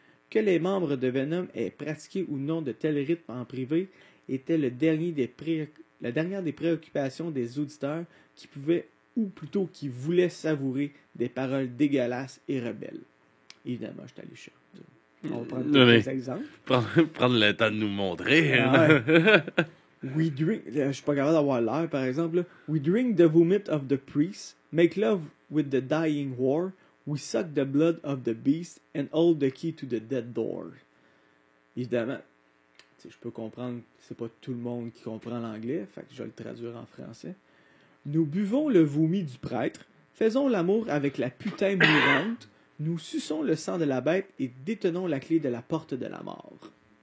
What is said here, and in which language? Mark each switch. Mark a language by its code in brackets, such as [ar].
[fr] Que les membres de Venom aient pratiqué ou non de tels rythmes en privé était la dernière des préoccupations des auditeurs qui pouvaient, ou plutôt qui voulaient savourer des paroles dégueulasses et rebelles. Évidemment, je t'allais chercher. On va prendre des exemples. Prendre le temps de nous montrer. Ah, ouais. [en] We drink, [fr] je suis pas capable d'avoir l'air, par exemple. Là. [en] We drink the vomit of the priest, make love with the dying war, we suck the blood of the beast, and hold the key to the dead door. [fr] Évidemment, je peux comprendre que c'est pas tout le monde qui comprend l'anglais, fait que je vais le traduire en français. Nous buvons le vomi du prêtre, faisons l'amour avec la putain mourante, nous suçons le sang de la bête et détenons la clé de la porte de la mort.